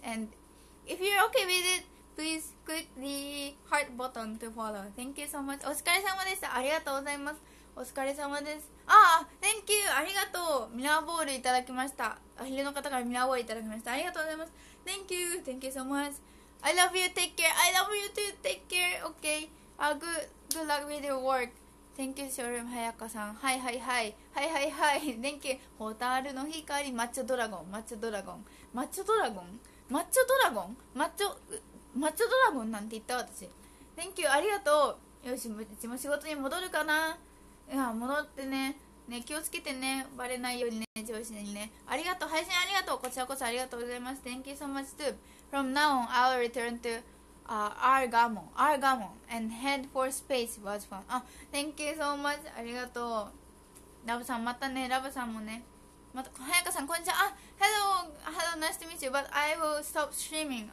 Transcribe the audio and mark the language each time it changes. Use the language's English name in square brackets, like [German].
[English] And if you're okay with it,Please click the heart button to follow. Thank you so much. [Japanese] お疲れ様でした。ありがとうございます。お疲れ様です。 [English] Thank you. [Japanese] ありがとう。ミラーボールいただきました。アヒルの方からミラーボールいただきました。ありがとうございます。 [English] Thank you. Thank you so much. I love you. Take care. I love you too. Take care. Okay. Good luck with your work. Thank you, [Japanese] ショールーム早川さん。はいはいはい。はいはいはい。 [English] Thank you. [Japanese] ホタルの光。マッチョドラゴン。マッチョドラゴン。マッチョドラゴン。マッチョドラゴン。マッチョ。マッチョドラゴンなんて言った私。 [English] Thank you. [Japanese] ありがとう。よし、うちも仕事に戻るかな。いや、戻ってね、ね、気をつけてね、バレないようにね、上司にね。ありがとう、配信ありがとう。こちらこそありがとうございます。 [English] Thank you so much too. From now on, I'll return to Argamon and head for space was fun. Thank you so much. [Japanese] ありがとう。ラブさん、またね。ラブさんもね、また早川さん、こんにちは。 [English] Hello, nice to meet you, but I will stop streaming.